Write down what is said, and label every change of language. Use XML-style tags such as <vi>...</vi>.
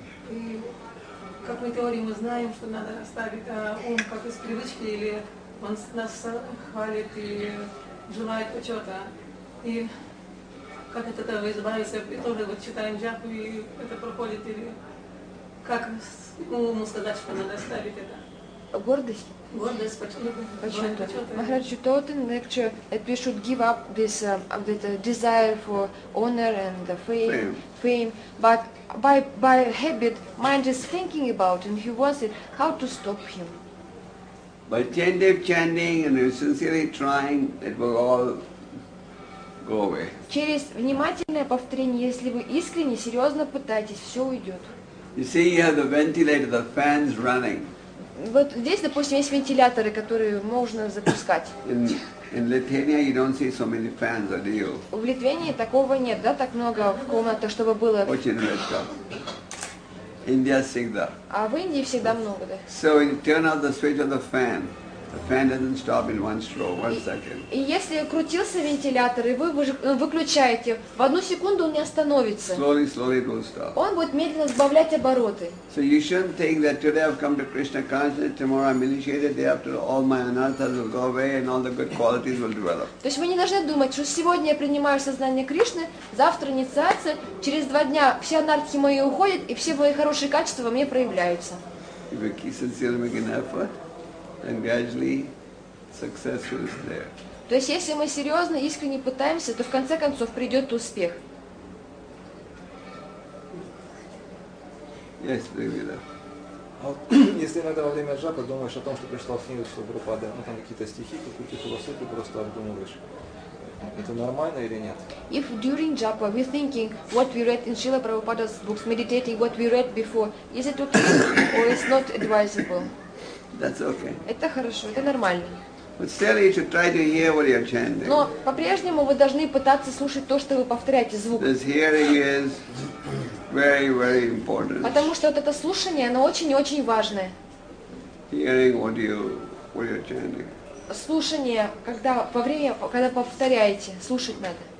<ru>И как мы теории мы знаем, что надо оставить ум как из привычки или Он нас хвалит и желает почета. И как от этого избавиться? И тоже вот читаем джапу, и это проходит. Или как ему сказать, что надо оставить это?</ru> <en>Maharaj, you taught in lecture that we should give up this desire for honor and the fame, but by habit, mind is thinking about and he wants it. How to stop him? By attentive chanting and sincerely trying, it will all go away.</en> <ru>Через внимательное повторение, если вы искренне, серьезно пытаетесь, все уйдет.</ru> <en>You see, you have the ventilator, the fans running.</en> <ru>Вот здесь, допустим, есть вентиляторы, которые можно запускать.</ru> <en>In Lithuania, you don't see so many fans, do you?</en> <ru>В Литвении такого нет, да, так много в комнатах, чтобы было. Очень редко. India всегда. А в Индии всегда много, да.</ru> <en>So you turn off the switch of the fan. The fan doesn't stop in one stroke, one second.</en> <ru>И если крутился вентилятор, и вы выключаете, в одну секунду он не остановится.</ru> <en>Slowly, slowly it will stop.</en> <ru>Он будет медленно сбавлять обороты.</ru> <en>So you shouldn't think that today I've come to Krishna consciousness, tomorrow I'm initiated, day after all my anarthas will go away and all the good qualities will develop.</en> <ru>То есть вы не должны думать, что сегодня я принимаю сознание Кришны, завтра инициация, через два дня все анархи мои уходят, и все мои хорошие качества во мне проявляются.</ru> <en>If you keep sincerely making effort, and gradually success is there.</en> <ru>То есть если мы серьезно, искренне пытаемся, то в конце концов придет успех.</ru> <en>Yes, baby, да.</en> <ru>А вот если иногда во время джапы думаешь о том, что пришла книга Шрупады, ну там какие-то стихи, какую-то философию просто обдумываешь, это нормально или нет?</ru> <en>If during japa we're thinking what we read in Srila Prabhupada's books, meditating what we read before, is it okay or it's not advisable? That's okay.</en> <ru>Это хорошо, это нормально.</ru> <en>But still you should try to hear what you're chanting.</en> <ru>Но по-прежнему вы должны пытаться слушать то, что вы повторяете, звук.</ru> <en>This hearing is very, very important.</en> <ru>Потому что вот это слушание, оно очень-очень важное.</ru> <en>Hearing what you're chanting.</en> <ru>Слушание, когда во время, когда повторяете, слушать надо.</ru>